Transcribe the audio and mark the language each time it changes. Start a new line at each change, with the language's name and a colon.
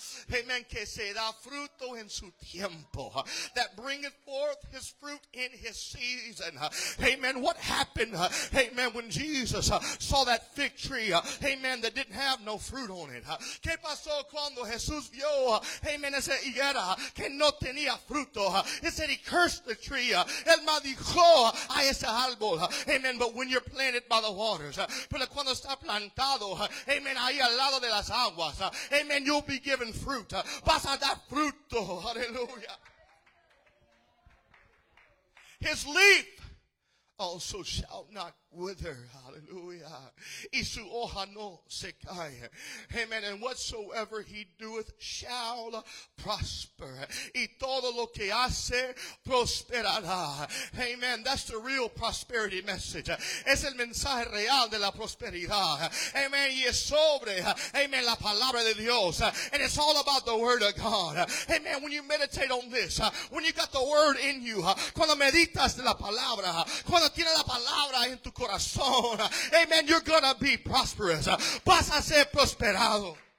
Spanish: Amen. Que se da fruto en su tiempo.
English: That bringeth forth his fruit in his season. Amen. What happened? Amen. When Jesus saw that fig tree. Amen. That didn't have no fruit on it.
Spanish: ¿Qué pasó cuando Jesús vio? Amen. Esa higuera que no tenía fruto.
English: He said he cursed the tree.
Spanish: Él maldijo a ese árbol. Amen.
English: But when you're planted by the waters, but
Spanish: cuando está plantado, amen, ahí al lado de las aguas,
English: amen, you'll be given fruit.
Spanish: Vas a dar fruto. Hallelujah.
English: His leaf also shall not wither. Hallelujah.
Spanish: Y su hoja no se cae. Amen.
English: And whatsoever he doeth shall prosper.
Spanish: Y todo lo que hace prosperará. Amen.
English: That's the real prosperity message.
Spanish: Es el mensaje real de la prosperidad.
English: Amen.
Spanish: Y es sobre, amen, la palabra de Dios.
English: And it's all about the word of God. Amen. When you meditate on this, when you got the word in you,
Spanish: cuando meditas de la palabra, cuando tienes la palabra en tu corazón,
English: amen, you're gonna be prosperous.
Spanish: Vas a ser prosperado.